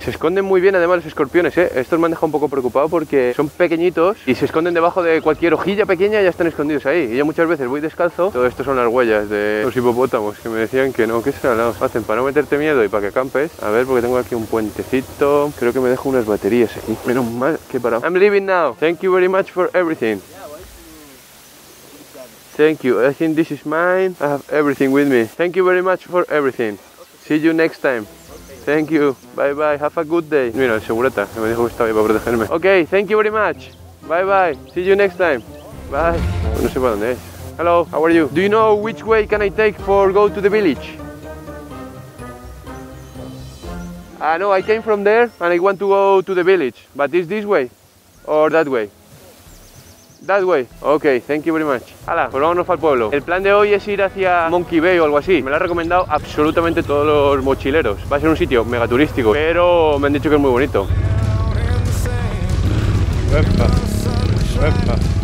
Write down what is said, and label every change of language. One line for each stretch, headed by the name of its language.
Spanish: Se esconden muy bien además los escorpiones, ¿eh? Estos me han dejado un poco preocupado porque son pequeñitos y se esconden debajo de cualquier hojilla pequeña y ya están escondidos ahí. Y yo muchas veces voy descalzo. Todo esto son las huellas de los hipopótamos que me decían que no, que se lo hacen para no meterte miedo y para que acampes. A ver, porque tengo aquí un puentecito. Creo que me dejo unas baterías aquí. Menos mal que he parado.
English: I'm leaving now. Thank you very much for everything. Thank you. I think this is mine. I have everything with me. Thank you very much for everything. See you next time. Thank you. Bye bye. Have a good day.
Spanish: Mira, el segureta me dijo que estaba ahí para protegerme.
English: Okay, thank you very much. Bye bye. See you next time. Bye.
Spanish: No sé para dónde es.
English: Hello, how are you? Do you know which way can I take for go to the village? No, I came from there and I want to go to the village. But is this way or that way? That way. Okay, thank you very much.
Spanish: Hala, pues vámonos al pueblo. El plan de hoy es ir hacia Monkey Bay o algo así. Me lo han recomendado absolutamente todos los mochileros. Va a ser un sitio mega turístico, pero me han dicho que es muy bonito. Epa. Epa.